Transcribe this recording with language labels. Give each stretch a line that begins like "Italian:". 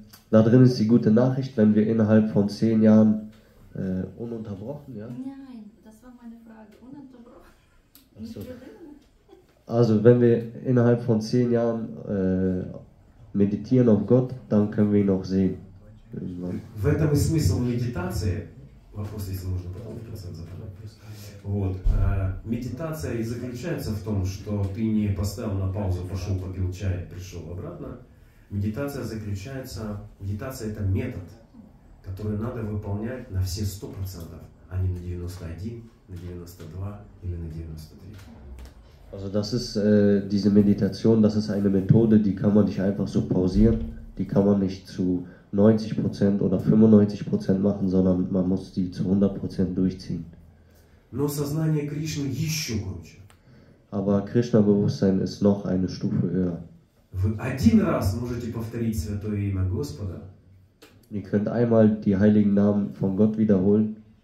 German: Da drin ist die gute Nachricht, wenn wir innerhalb von 10 Jahren ununterbrochen, ja? Nein, das war meine Frage, ununterbrochen. Achso. Also wenn wir innerhalb von 10 Jahren meditieren auf Gott, dann können wir ihn auch sehen. Irgendwann.
Russian: В этом и смысл медитации. Вопрос, если можно, потом
German: ich muss einfach noch.
Russian: Вот. Медитация и заключается в том, что ты не поставил на паузу, пошел, попил чай, пришел обратно. Медитация заключается, медитация это метод, который надо выполнять на все 100%, а не на 91, на 92 или на 93.
German: Also das ist diese Meditation, das ist eine Methode, die kann man nicht einfach so pausieren, die kann man nicht zu 90% oder 95% machen, sondern man muss die zu 100% durchziehen.
Russian: Но сознание Кришны еще круче.
German: Aber Krishna-Bewusstsein ist noch eine Stufe höher.
Russian: Вы один раз можете повторить святое имя Господа.
German: Ihr könnt einmal die heiligen Namen von Gott wiederholen.